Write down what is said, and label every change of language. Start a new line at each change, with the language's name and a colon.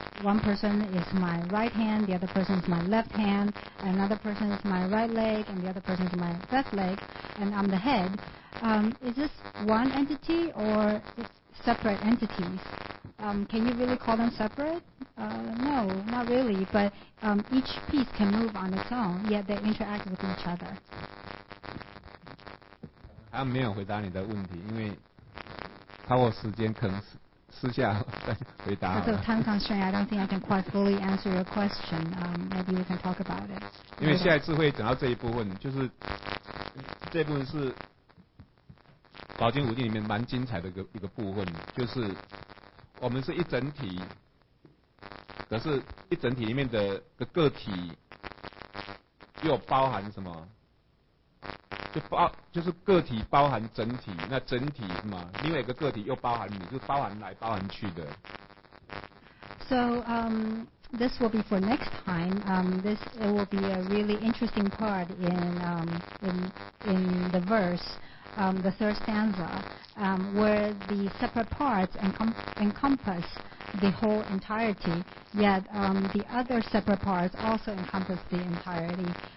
English: One person is my right hand, the other person is my left hand, another person is my right leg, and the other person is my left leg, and I'm the head. Is this one entity or separate entities? Can you really call them separate? No, not really, but each piece can move on its own, yet they interact with each other.
Chinese: 他没有回答你的问题，因为超过时间可能是私下回答。
English: Because of time constraint, I don't think I can quite fully answer your question. Maybe we can talk about it.
Chinese: 因为下一次会讲到这一部分，就是这部分是宝经五经里面蛮精彩的一个部分，就是我们是一整体，可是一整体里面的个体又包含什么？就是个体包含整体，那整体是吗？另外一个个体又包含你，就是包含来包含去的。
English: So, this will be for next time. This it will be a really interesting part in the verse, the third stanza, where the separate parts encompass the whole entirety, yet the other separate parts also encompass the entirety.